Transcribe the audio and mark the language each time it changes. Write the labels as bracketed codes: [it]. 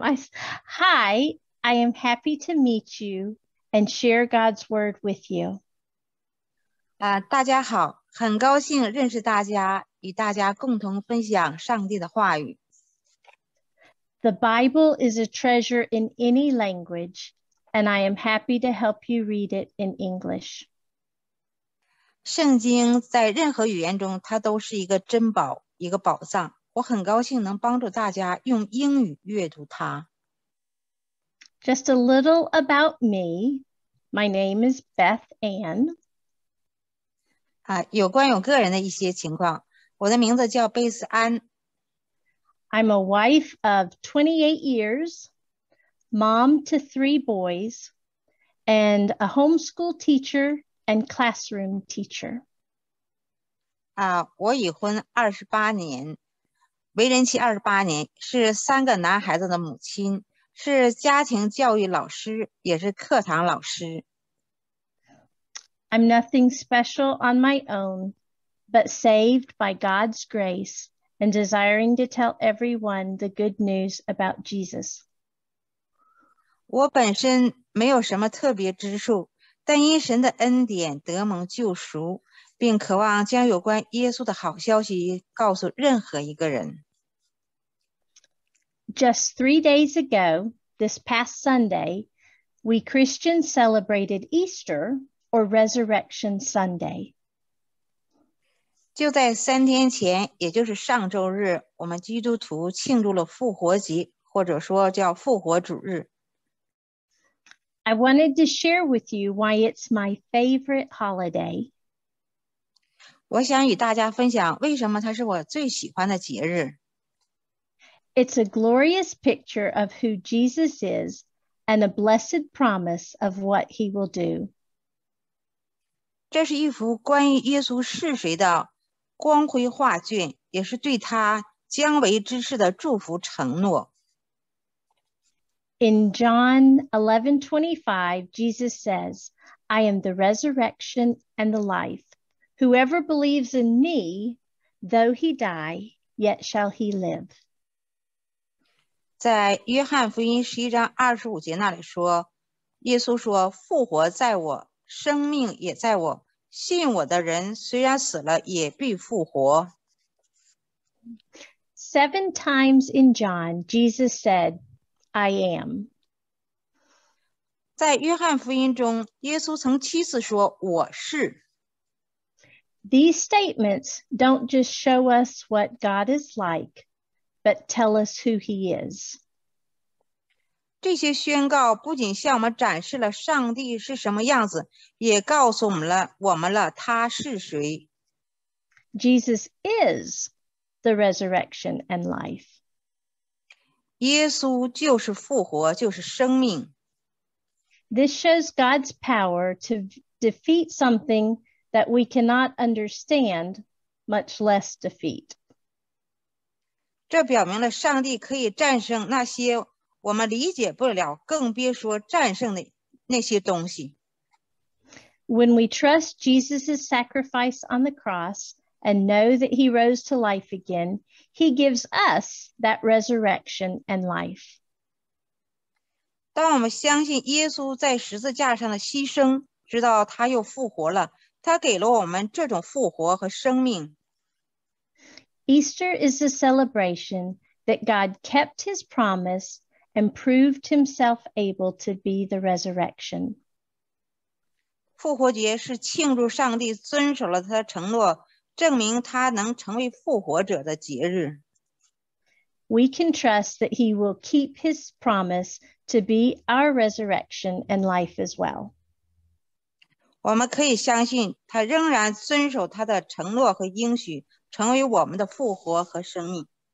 [en] Hi, I am happy to meet you and share God's word with you. [zh] 大家好，很高兴认识大家，与大家共同分享上帝的话语。 [en] The Bible is a treasure in any language, and I am happy to help you read it in English. [zh] 圣经在任何语言中，它都是一个珍宝，一个宝藏。我很高兴能帮助大家用英语阅读它。 [en] Just a little about me. My name is Beth Ann. [zh] 有关我个人的一些情况。我的名字叫贝斯安。 [en] I'm a wife of 28 years, mom to 3 boys, and a homeschool teacher and classroom teacher. [zh] 我已婚28年。为人妻28年，是三个男孩子的母亲，是家庭教育老师，也是课堂老师。 [en] I'm nothing special on my own, but saved by God's grace and desiring to tell everyone the good news about Jesus. [zh] 我本身没有什么特别之处，但因神的恩典得蒙救赎。并渴望将有关耶稣的好消息告诉任何一个人。 [en] Just 3 days ago, this past Sunday, we Christians celebrated Easter or Resurrection Sunday. [zh] 就在三天前，也就是上周日，我们基督徒庆祝了复活节，或者说叫复活主日。 [en] I wanted to share with you why it's my favorite holiday. [zh] 我想与大家分享为什么它是我最喜欢的节日。 [en] It's a glorious picture of who Jesus is and a blessed promise of what he will do. [zh] 这是一幅关于耶稣是谁的光辉画卷，也是对他将为之事的祝福承诺。 [en] In John 11:25, Jesus says, I am the resurrection and the life. Whoever believes in me, though he die, yet shall he live. [zh] 在约翰福音十一章二十五节那里说，耶稣说，复活在我，生命也在我，信我的人虽然死了也必复活。 [en] 7 times in John, Jesus said, I am. [zh] 在约翰福音中，耶稣曾七次说，我是。 [en] These statements don't just show us what God is like, but tell us who he is. [zh] 这些宣告不仅向我们展示了上帝是什么样子，也告诉我们了他是谁。 [en] Jesus is the resurrection and life. [zh] 耶稣就是复活，就是生命。 [en] This shows God's power to defeat something that we cannot understand, much less defeat. [zh] 这表明了上帝可以战胜那些我们理解不了，更别说战胜的那些东西。 [en] When we trust Jesus' sacrifice on the cross and know that he rose to life again, he gives us that resurrection and life. [zh] 当我们相信耶稣在十字架上的牺牲，知道他又复活了，他给了我们这种复活和生命。 [en] Easter is a celebration that God kept his promise and proved himself able to be the resurrection. [zh] 复活节是庆祝上帝遵守了他的承诺，证明他能成为复活者的节日。 [en] We can trust that he will keep his promise to be our resurrection and life as well. [zh] 我们可以相信他仍然遵守他的承诺和应许，成为我们的复活和生命。